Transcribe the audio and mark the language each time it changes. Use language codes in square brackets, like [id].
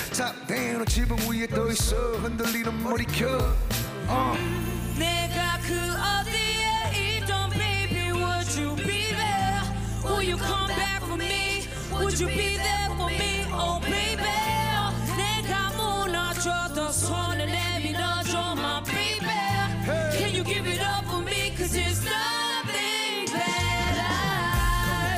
[en] Top down, [ko] 지붕 위에 떠 있어. 흔들리는 머리결. 내가 그 어디에 있던 [en] baby, would you be there? Will you come back for me? Would you be there for me? Oh, baby. [ko] 내가 무너져도 손을 내밀어줘, [en] my baby. Can you give it up for me? Cause it's nothing better.